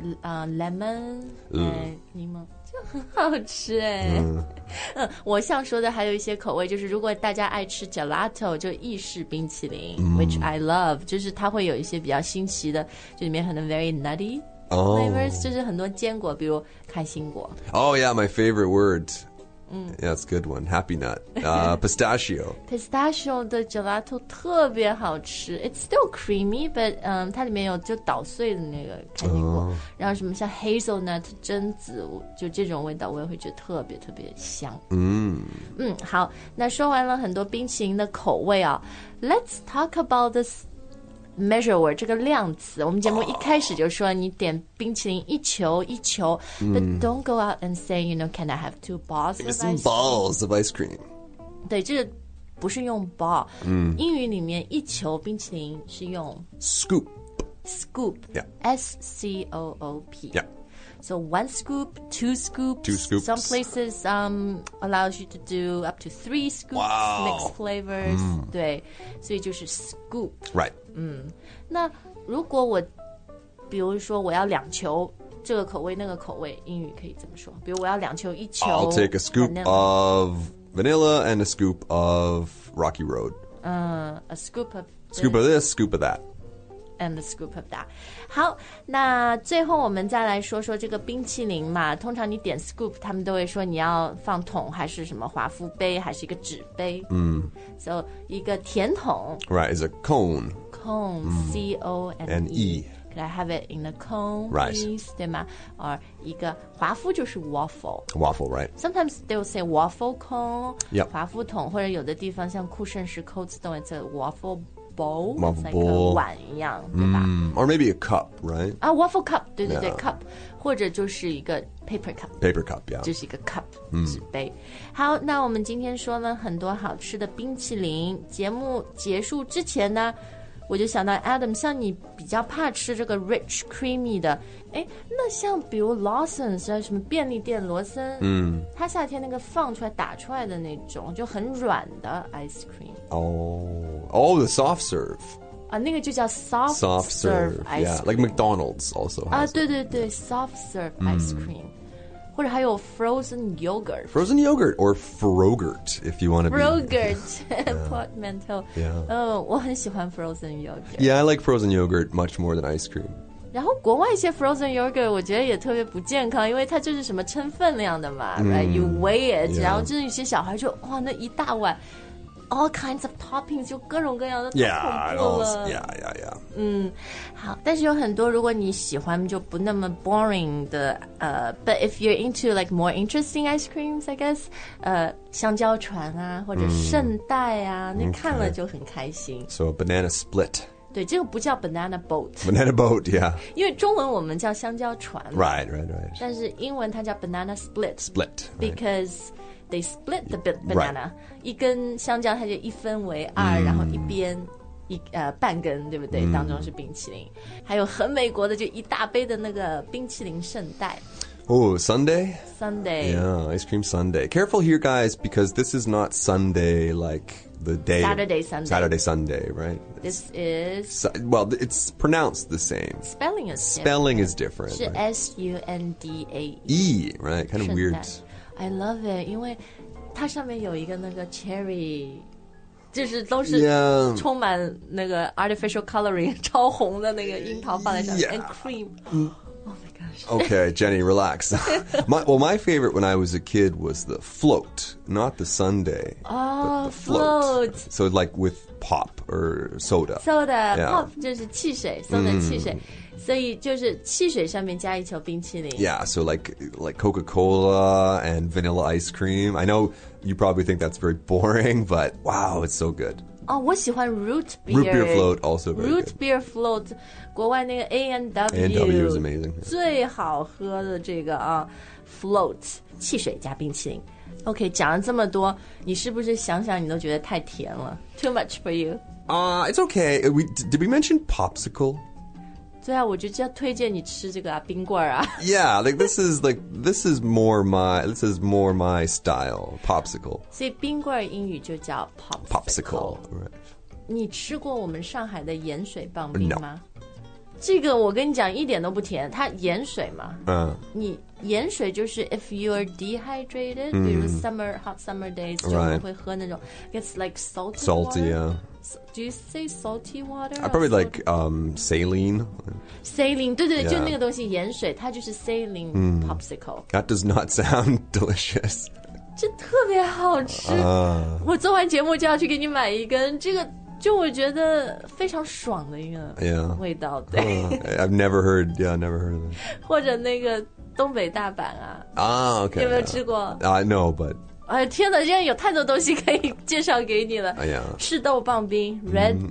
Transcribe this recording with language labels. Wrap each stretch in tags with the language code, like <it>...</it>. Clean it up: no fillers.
<zh>lemon， 柠檬。很好吃哎、欸 我想说的还有一些口味，就是如果大家爱吃 gelato 就意式冰淇淋、</zh> <en>which I love，</en> <zh>就是它会有一些比较新奇的，就里面可能</zh> <en>very nutty flavors、 oh.</en> <zh>就是很多坚果，比如开心果。</zh> <en>Oh yeah, my favorite word、yeah, it's a good one, happy nut、pistachio.</en> <zh>Pistachio 的 gelato 特别好吃，</zh> <en>it's still creamy but、</en> <zh>它里面有就捣碎的那个开心果、然后什么像 hazelnut 榛子，就这种味道我也会觉得特别特别香。好，那说完了很多冰淇淋的口味啊、</zh> <en>Let's talk about this measure word，</en> <zh>这个量词。我们节目一开始就说你点冰淇淋一球一球、</zh> <en>But don't go out and say, you know, can I have two balls of ice cream? Some balls of ice cream.</en> <zh>对，这个不是用 ball、英语里面一球冰淇淋是用</zh> <en>Scoop. Scoop. S-C-O-O-P. Yeah. So one scoop, two scoops. Two scoops. Some places allows you to do up to three scoops. Wow. Mixed flavors.、</en> <zh>对，所以就是 scoop.</zh> <en>Right.</en> <zh>那如果我比如说我要两球这个口味那个口味，英语可以怎么说？比如我要两球一球</zh> <en>I'll take a scoop of vanilla and a scoop of Rocky Road. A scoop of scoop of this, scoop of that. And a scoop of that.</en> <zh>好，那最后我们再来说说这个冰淇淋嘛。通常你点 scoop， 他们都会说你要放桶还是什么华夫杯，还是一个纸杯。 So 一个甜筒。</zh> <en>Right, it's a cone. Cone,、C-O-N-E. Could I have it in a cone, please? Right.</en> <zh>对吗？ Or 一个华夫就是 waffle.</zh> <en>Waffle, right. Sometimes they'll say waffle cone. Yep.</en> <zh>华夫桶，或者有的地方像库盛是 cold stone,</zh> <en>it's a waffle. Bowl, waffle like、 bowl.</en> <zh>碗一样、</zh> <en>Or maybe a cup, right? A waffle cup,</en> <zh>对对对、cup 或者就是一个 paper cup</zh> <en>Paper cup, yeah</en> <zh>就是一个 cup,、纸杯好那我们今天说了很多好吃的冰淇淋节目结束之前呢我就想到 Adam 像你比较怕吃这个 rich creamy 的诶那像比如 Lawson's 什么便利店罗森它夏天那个放出来打出来的那种就很软的 ice cream</zh> <en>Oh, the soft serve.</en> <zh>啊，那个就叫 soft</zh> <en>serve ice cream. Yeah, like McDonald's also has</en> <zh>啊，对对对 ，soft serve ice cream. 或者还有 frozen yogurt.</zh> <en>Frozen yogurt or Frogurt, if you want to be. Frogurt, portmanteau. Yeah.</en> <zh>我很喜欢 frozen yogurt.</zh> <en>Yeah, I like frozen yogurt much more than ice cream.</en> <zh>然后国外一些 frozen yogurt 我觉得也特别不健康，因为它就是什么称分量的嘛 ，right?</zh> <en>You weigh it,、 yeah.</en> <zh>然后就是有些小孩就哇，那一大碗。</zh> <en>All kinds of toppings,</en> <zh>就各种各样的太恐怖了</zh> <en>Yeah.</en> <zh>好，但是有很多如果你喜欢就不那么 boring 的</zh> <en>But if you're into like more interesting ice creams, I guess,</en> <zh>香蕉船啊，或者圣代啊，那看了就很开心</zh> <en>So a banana split.</en> <zh>对，这个不叫 banana boat.</zh> <en>Banana boat, yeah.</en> <zh>因为中文我们叫香蕉船</zh> <en>Right.</en> <zh>但是英文它叫 banana split.</zh> <en>Split. Because...、 right. They split the banana、 right.</en> <zh>一根香蕉它就一分为二、然后一边一、半根对不对、当中是冰淇淋还有很美国的就一大杯的那个冰淇淋圣代</zh> <en>Oh, sundae? Sundae. Yeah, ice cream sundae. Careful here, guys, because this is not sundae like the day. Saturday, Sunday. Saturday, Sunday, right? Well, it's pronounced the same. Spelling is different. S-U-N-D-A-E. E, right? Kind of weird. I love it,</en> <zh>因为它上面有一个那个 cherry... 就是都是充满那个 artificial coloring 超红的那个樱桃放在上面</zh> <en>and cream. Okay, Jenny, relax. my favorite when I was a kid was the float, not the sundae. Oh, float. So like with pop or soda. Soda,、yeah.</en> <zh>pop 就是汽水 soda、mm. 汽水。所以就是汽水上面加一球冰淇淋。</zh> <en>Yeah, so like Coca-Cola and vanilla ice cream. I know you probably think that's very boring, but wow, it's so good.</en> <zh>Oh, 我喜欢 root beer.</zh> <en>Root beer float also very root</en> <zh>Root beer float, 国外那个 A&W.</zh> <en>A&W is amazing.</en> <zh>最好喝的这个啊 float, 汽水加冰淇淋。 OK, 讲了这么多你是不是想想你都觉得太甜了</zh> <en>Too much for you. It's okay. Did we mention popsicle?</en> <zh>对啊我就要推荐你吃这个啊冰棍啊</zh> <en>Yeah, this is more my style, popsicle.</en> <zh>所以冰棍英语就叫 popsicle.</zh> <en>Right.</en> <zh>你吃过我们上海的盐水棒冰吗、No. 这个我跟你讲一点都不甜它盐水嘛。你盐水就是</zh> <en>if you're dehydrated,、</en> <zh>mm. 比如 summer,</zh> <en>hot summer days,</en> <zh>就你会喝那种、</zh> <en>right. it's like salty Salty, water. Yeah. Do you say salty water? I probably like saline.</en> <zh>Saline, 对对、yeah. 就那个东西盐水它就是 saline、mm.</zh> <en>popsicle. That does not sound delicious.</en> <zh>这特别好吃。我做完节目就要去给你买一根。这个就我觉得非常爽的一个味道。</zh> <en>Yeah.</en> <zh>对</zh> <en>I've never heard of it.</en> <zh>或者那个东北大阪啊。</zh> <en>Okay.</en> <zh>有没有吃过</zh> <en>No, but...</en> <zh>天哪现在有太多东西可以介绍给你了、赤豆棒冰 Red、mm.</zh>